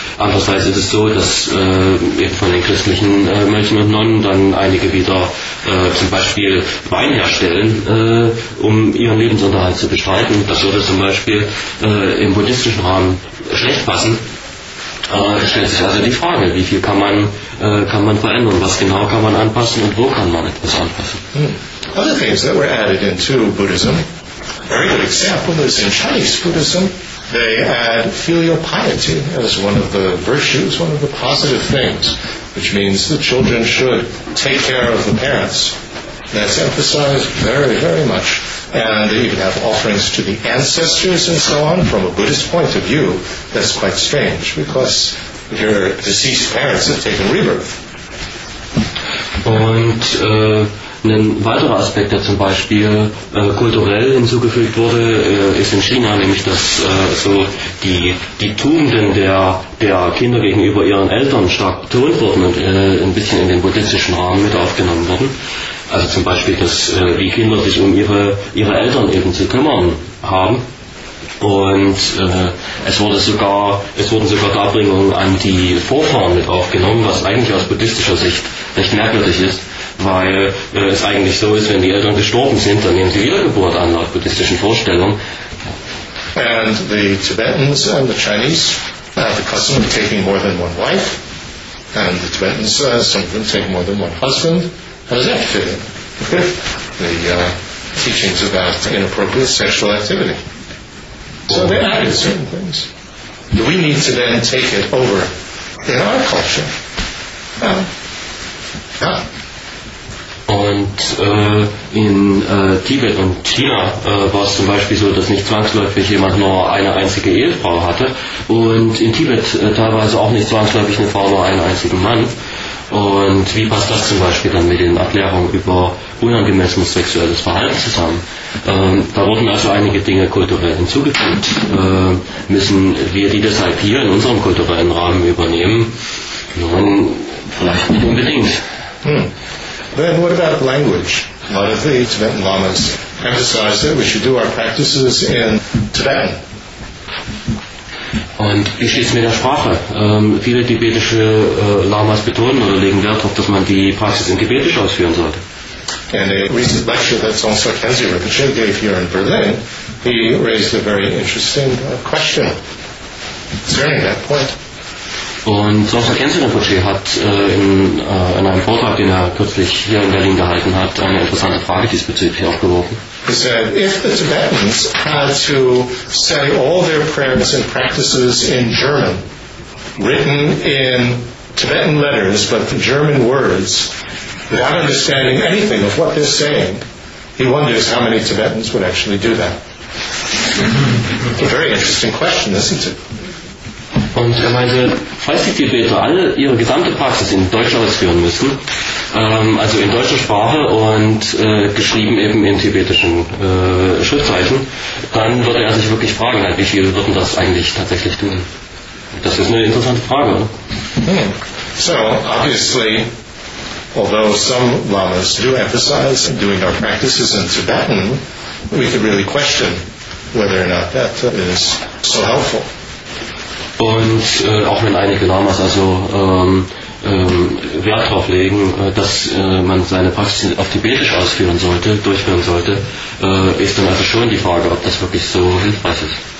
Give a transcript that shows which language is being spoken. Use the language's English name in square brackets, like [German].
[German] Andererseits ist es so, dass eben von den christlichen Mönchen und Nonnen dann einige wieder zum Beispiel Wein herstellen, um ihren Lebensunterhalt zu bestreiten. Das würde zum Beispiel im buddhistischen Rahmen schlecht passen. Es stellt sich also die Frage, wie viel kann man verändern, was genau kann man anpassen und wo kann man etwas anpassen. [English] Other things that were added into Buddhism, a very good example is in Chinese Buddhism, they add filial piety as one of the virtues, one of the positive things, which means the children should take care of the parents. That's emphasized very, very much. And they even have offerings to the ancestors and so on. From a Buddhist point of view, that's quite strange, because your deceased parents have taken rebirth. [German] Und ein weiterer Aspekt, der zum Beispiel kulturell hinzugefügt wurde, ist in China, nämlich dass so die Tugenden der Kinder gegenüber ihren Eltern stark betont wurden und ein bisschen in den buddhistischen Rahmen mit aufgenommen wurden. Also zum Beispiel, dass die Kinder sich um ihre Eltern eben zu kümmern haben. Und es wurden sogar Darbringungen an die Vorfahren mit aufgenommen, was eigentlich aus buddhistischer Sicht recht merkwürdig ist, weil es eigentlich so ist, wenn die Eltern gestorben sind, dann nehmen sie Wiedergeburt an, laut buddhistischen Vorstellungen. [English] And the Tibetans and the Chinese have the custom of taking more than one wife. And the Tibetans, some of them take more than one husband. How does that fit in? The teachings about inappropriate sexual activity. So they added certain things. Do we need to then take it over in our culture? No. [German] Und in Tibet und China war es zum Beispiel so, dass nicht zwangsläufig jemand nur eine einzige Ehefrau hatte und in Tibet teilweise auch nicht zwangsläufig eine Frau nur einen einzigen Mann. Und wie passt das zum Beispiel dann mit den Erklärungen über unangemessenes sexuelles Verhalten zusammen? Da wurden also einige Dinge kulturell hinzugefügt. Müssen wir die deshalb hier in unserem kulturellen Rahmen übernehmen? Nun, vielleicht nicht unbedingt. [English] Then what about language? A lot of the Tibetan lamas emphasize that we should do our practices in Tibetan. [German] Und wie steht es mit der Sprache? Viele tibetische Lamas betonen oder legen Wert darauf, dass man die Praxis in Tibetisch ausführen sollte. [English] In a recent lecture that Song Sarkhansi Rinpoche gave here in Berlin, he raised a very interesting question concerning that point. [German] Und Sosa Kenzin Rinpoche hat in einem Vortrag, den er kürzlich hier in Berlin gehalten hat, eine interessante Frage diesbezüglich aufgeworfen. [English] He said, if the Tibetans had to say all their prayers and practices in German, written in Tibetan letters, but the German words, without understanding anything of what they're saying, he wonders how many Tibetans would actually do that. It's a very interesting question, isn't it? [German] Und er meinte, falls die Tibeter alle ihre gesamte Praxis in Deutsch ausführen müssen, also in deutscher Sprache und geschrieben eben in tibetischen Schriftzeichen, dann würde er sich wirklich fragen, halt, wie viele würden das eigentlich tatsächlich tun? Das ist eine interessante Frage, oder? [English] So, obviously, although some lamas do emphasize doing our practices in Tibetan, we could really question whether or not that is so helpful. [German] Und auch wenn einige Lamas also Wert darauf legen, dass man seine Praxis auf Tibetisch ausführen sollte, durchführen sollte, ist dann also schon die Frage, ob das wirklich so hilfreich ist.